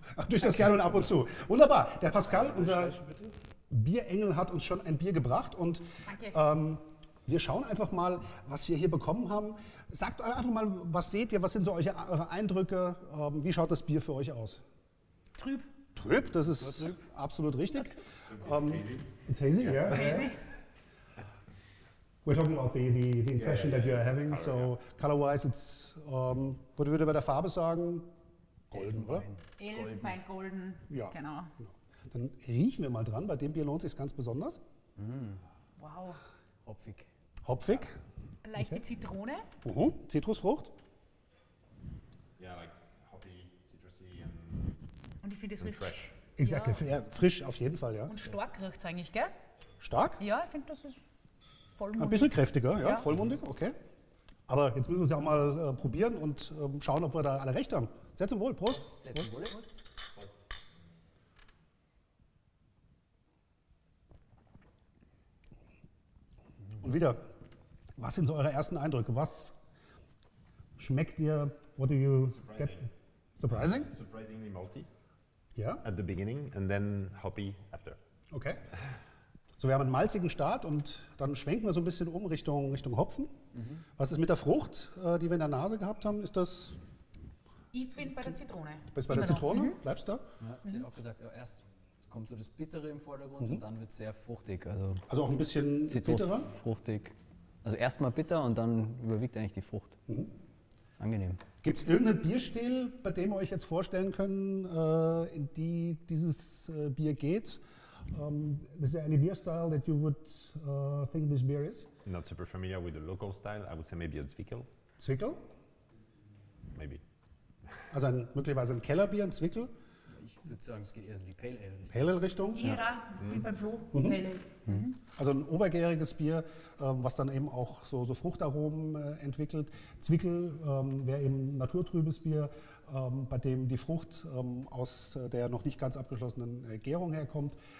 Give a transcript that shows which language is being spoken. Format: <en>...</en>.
<de>Durchaus gerne und ab und zu. Wunderbar. Der Pascal, unser Bierengel, hat uns schon ein Bier gebracht. Und wir schauen einfach mal, was wir hier bekommen haben. Sagt einfach mal, was seht ihr, was sind so eure Eindrücke? Wie schaut das Bier für euch aus? Trüb. Trüb, das ist absolut richtig.</de> <en>It's hazy. It's hazy, yeah. We're talking about the impression that you are having. Color, so yeah. Color-wise, it's, what</en> <de>würde bei der Farbe sagen? Golden, oder? Elfenbein golden. Ja. Genau. Dann riechen wir mal dran. Bei dem Bier lohnt sich ganz besonders. Mm. Wow. Hopfig. Hopfig. Leichte okay. Zitrone. Uh-huh. Zitrusfrucht. Ja,</de> <en>yeah, like hoppy, citrusy.</en> <de>Und ich finde es riecht</de> <en>fresh. Exactly.</en> <de>Ja. Frisch auf jeden Fall, ja. Und stark riecht es eigentlich, gell? Stark? Ja, ich finde, das ist vollmundig. Ein bisschen kräftiger, ja. Vollmundig, okay. Aber jetzt müssen wir es ja auch mal probieren und schauen, ob wir da alle recht haben. Sehr zum Wohl, Prost. Sehr zum Wohl, Prost. Und wieder, was sind so eure ersten Eindrücke? Was schmeckt ihr?</de> <en>What do you surprising. Get? Surprising? Surprisingly malty. Yeah. At the beginning and then hoppy after. Okay.</en> <de>So, wir haben einen malzigen Start und dann schwenken wir so ein bisschen um Richtung Hopfen. Mhm. Was ist mit der Frucht, die wir in der Nase gehabt haben? Ist das? Ich bin bei der Zitrone. Du bist bei immer der Zitrone? Mhm. Bleibst du da? Ja, ich hätte auch gesagt, ja, erst kommt so das Bittere im Vordergrund und dann wird es sehr fruchtig. Also auch ein bisschen bitterer? Fruchtig. Also erstmal bitter und dann überwiegt eigentlich die Frucht. Mhm. Angenehm. Gibt es irgendeinen Bierstil, bei dem ihr euch jetzt vorstellen könnt, in die dieses Bier geht?</de> <en>Is there any beer style that you would think this beer is? Not super familiar with the local style. I would say maybe a Zwickel. Zwickel? Maybe.</en> <de>Also möglicherweise ein Kellerbier, ein Zwickel? Ich würde sagen, es geht eher so in die Pale Ale. Pale Ale Richtung? Ja, ja. Wie beim Flo. Mhm. Pale Ale. Mhm. Also ein obergäriges Bier, was dann eben auch so Fruchtaromen entwickelt. Zwickel wäre eben naturtrübes Bier. Bei dem die Frucht aus der noch nicht ganz abgeschlossenen Gärung herkommt.</de>